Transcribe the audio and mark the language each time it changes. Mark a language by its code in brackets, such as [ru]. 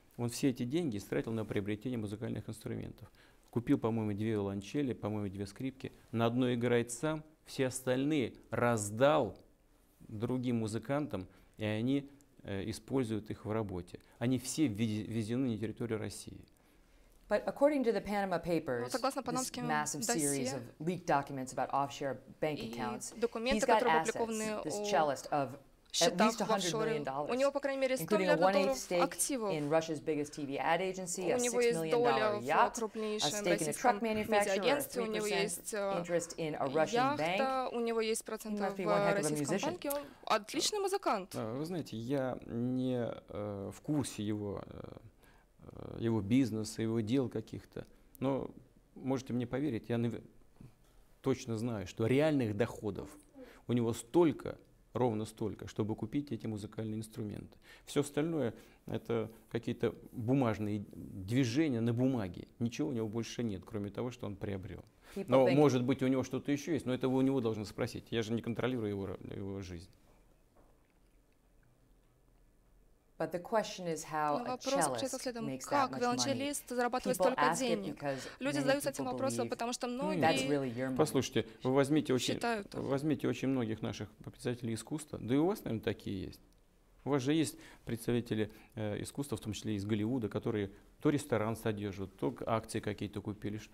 [ru] Он все эти деньги истратил на приобретение музыкальных инструментов. Купил, по-моему, две виолончели, по-моему, две скрипки. На одной играет сам, все остальные раздал другим музыкантам, и они используют их в работе. Они все ввезены на территорию России. [en] But according to the Panama Papers, [ru] ну, согласно панамским досье, [en] massive series of leaked documents about offshore bank accounts, [ru] документы, которые опубликованы о счетах в офшоре, у него, по крайней мере, 100 миллиардов активов. [en] In Russia's biggest TV ad agency, [ru] у него есть доля в крупнейшем российском медиагентстве, у него есть яхта, у него есть проценты в российском банке. Он отличный музыкант. Вы знаете, я не в курсе его... его бизнеса, его дел каких-то. Но можете мне поверить, я точно знаю, что реальных доходов у него столько, ровно столько, чтобы купить эти музыкальные инструменты. Все остальное – это какие-то бумажные движения на бумаге. Ничего у него больше нет, кроме того, что он приобрел. Но, может быть, у него что-то еще есть, но это вы у него должны спросить. Я же не контролирую его жизнь. [en] But the question is how a cellist makes that much money. [ru] Зарабатывает столько денег. Люди задаются этим вопросом, потому что многие. Послушайте, вы возьмите очень многих наших представителей искусства, да и у вас, наверное, такие есть. У вас же есть представители искусства, в том числе из Голливуда, которые то ресторан содержат, то акции какие-то купили.